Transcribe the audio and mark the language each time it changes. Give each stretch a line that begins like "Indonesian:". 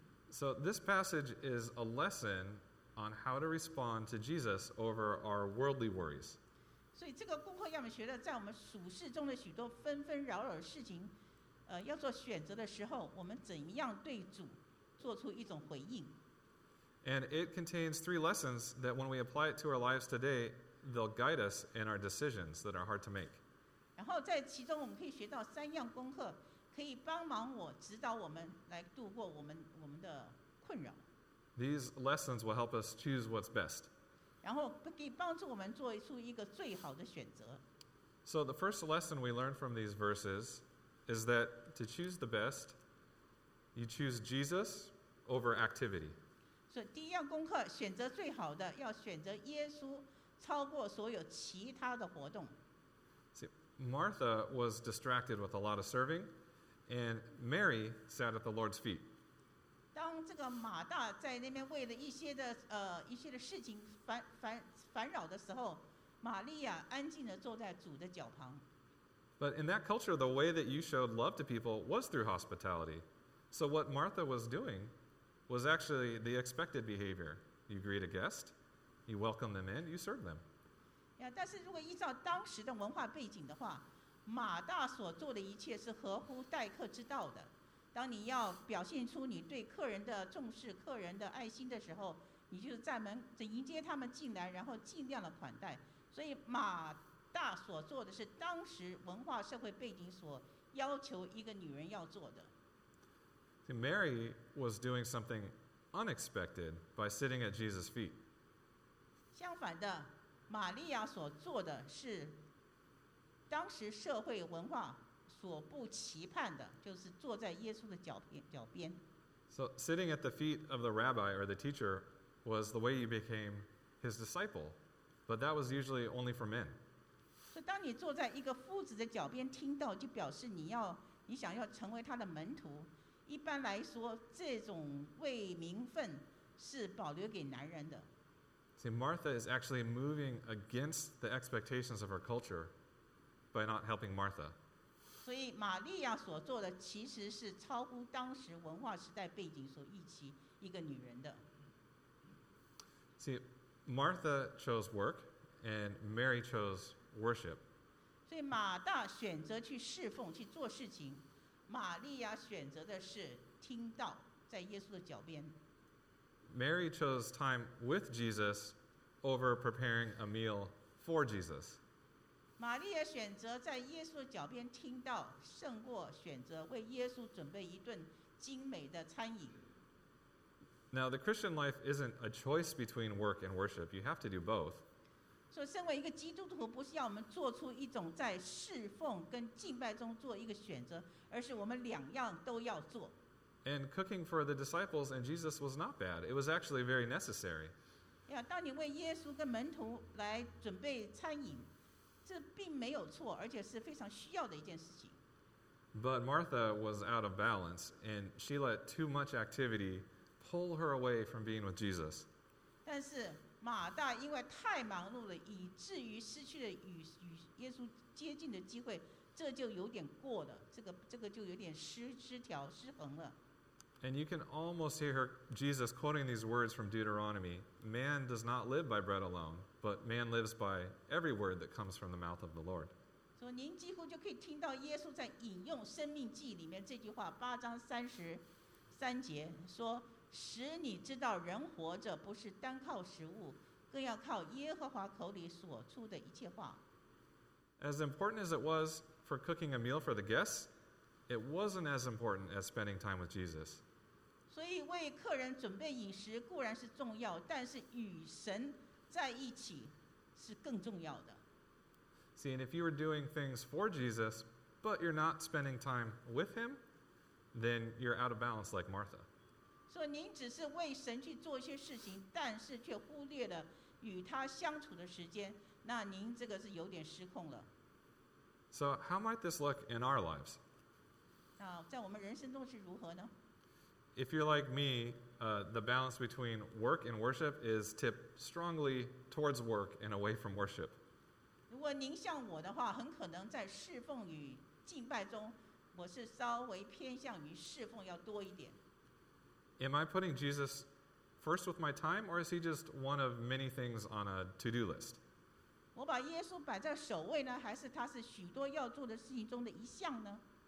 English: So this passage is a lesson on how to respond to Jesus over our worldly worries. So this
Chinese: 个功课要我们学的，在我们俗世中的许多纷纷扰扰的事情，要做选择的时候，我们怎样对主做出一种回应？
English: And it contains three lessons that when we apply it to our lives today, they'll guide us in our decisions that are hard to make.
Chinese: 然后在其中我们可以学到三样功课，可以帮忙我指导我们来度过我们的困扰。
English: These lessons will help us choose what's best.
Chinese: 然后可以帮助我们做出一个最好的选择。
English: So the first lesson we learn from these verses is that to choose the best, you choose Jesus over activity.
Chinese: 所以第一样功课，选择最好的，要选择耶稣，超过所有其他的活动。
English: Martha was distracted with a lot of serving, and Mary sat at the Lord's feet.
Chinese: 当这个马大在那边为了一些的事情烦扰的时候，玛利亚安静的坐在主的脚旁。
English: But in that culture, the way that you showed love to people was through hospitality. So what Martha was doing was actually the expected behavior. You greet a guest, you welcome them in, you serve them.
Chinese: 但是如果依照当时的文化背景的话，马大所做的一切是合乎待客之道的。当你要表现出你对客人的重视、客人的爱心的时候，你就是在门迎接他们进来，然后尽量的款待。所以马大所做的是当时文化社会背景所要求一个女人要做的。
English: Mary was doing something unexpected by sitting at Jesus' feet.
Chinese: 相反的，玛利亚所做的是当时社会文化所不期盼的，就是坐在耶稣的脚边。
English: So sitting at the feet of the rabbi or the teacher was the way you became his disciple, but that was usually only for men.
Chinese: 所以当你坐在一个夫子的脚边听到，就表示你想要成为他的门徒。一般来说，这种为名分是保留给男人的。
English: See, Martha is actually moving against the expectations of her culture by not helping Martha.
Chinese: 所以玛利亚所做的其实是超乎当时文化时代背景所预期一个女人的。
English: See, Martha chose work, and Mary chose worship.
Chinese: 所以马大选择去侍奉，去做事情。玛利亚选择的是听到，在耶稣的脚边。
English: Mary chose time with Jesus over preparing a meal for Jesus.
Chinese: 玛利亚选择在耶稣的脚边听到，胜过选择为耶稣准备一顿精美的餐饮。
English: Now the Christian life isn't a choice between work and worship. You have to do both.
Chinese: 所以，身为一个基督徒，不是要我们做出一种在侍奉跟敬拜中做一个选择，而是我们两样都要做。
English: And cooking for the disciples and Jesus was not bad. It was actually very necessary.
Chinese: Yeah, 当你为耶稣跟门徒来准备餐饮，这并没有错，而且是非常需要的一件事情。
English: But Martha was out of balance, and she let too much activity pull her away from being with Jesus.
Chinese: 但是马大因为太忙碌了，以至于失去了 与耶稣接近的机会，这就有点过了，这个就有点失调失衡了。
English: And you can almost hear Jesus quoting these words from Deuteronomy: "Man does not live by bread alone, but man lives by every word that comes from the mouth of the Lord."
Chinese: 所以您几乎就可以听到耶稣在引用《生命记》里面这句话，八章三十三节说。使你知道人活着不是单靠食物，更要靠耶和华口里所出的一切话。
English: As important as it was for cooking a meal for the guests, it wasn't as important as spending time with Jesus.
Chinese: 所以为客人准备饮食固然是重要，但是与神在一起是更重要的。
English: See, and if you were doing things for Jesus, but you're not spending time with him, then you're out of balance like Martha.
Chinese: 所以您只是为神去做一些事情，但是却忽略了与他相处的时间，那您这个是有点失控了。
English: So how might this look in our lives?
Chinese: 那在我们人生中是如何呢？
English: If you're like me, the balance between work and worship is tipped strongly towards work and away from worship.
Chinese: 如果您像我的话，很可能在侍奉与敬拜中，我是稍微偏向于侍奉要多一点。
English: Am I putting Jesus first with my time, or is he just one of many things on a to-do list?
Chinese: 我把耶稣摆在首位呢，还是他是许多要做的事情中的一项呢？